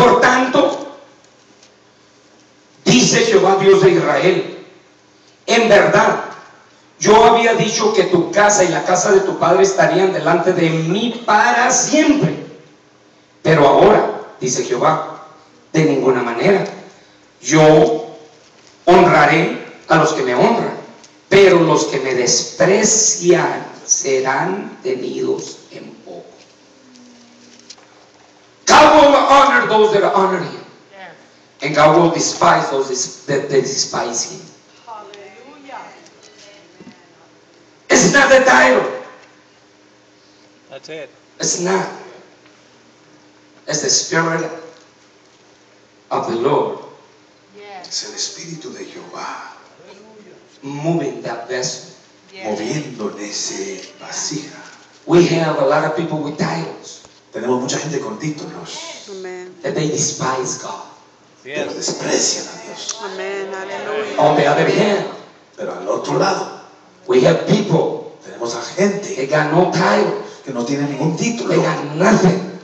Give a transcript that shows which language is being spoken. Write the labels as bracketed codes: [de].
[es] Por tanto, dice Jehová Dios de Israel, en verdad, yo había dicho que tu casa y la casa de tu padre estarían delante de mí para siempre. Pero ahora, dice Jehová, de ninguna manera. Yo honraré a los que me honran, pero los que me desprecian serán tenidos en poco. [en] God will honor those that honor him. Yeah. And God will despise those that despise him. Hallelujah. It's not the title. That's it. It's not. It's the spirit of the Lord. [es] Es el Espíritu de Jehová. [en] Moving that vessel. [es] Moviendo en ese vasija. [en] We have a lot of people with titles. [es] Tenemos mucha gente con títulos. Amen. [en] That they despise God. [es] Yes. Pero desprecian a Dios. Amen. [en] On the other hand. [es] Pero al otro lado. [en] We have people. [es] Tenemos a gente. [en] That got no titles. [es] Que no tiene ningún título. [en] They got nothing.